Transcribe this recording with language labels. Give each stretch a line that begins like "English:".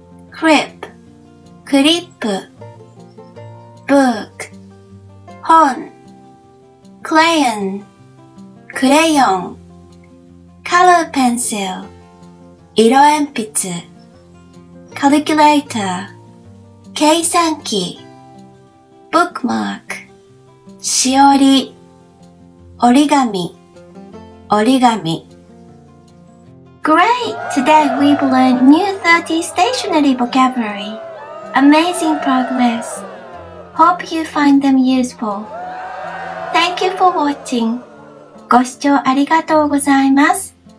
English: クリップ、クリップ、ブーク、本、クレヨン、クレヨン、カラーペンシル、色鉛筆、カリキュレーター、計算機、ブックマーク、しおり、折り紙、折り紙。 Great! Today we've learned new 30 stationery vocabulary. Amazing progress! Hope you find them useful. Thank you for watching.
Japanese: ご視聴ありがとうございます。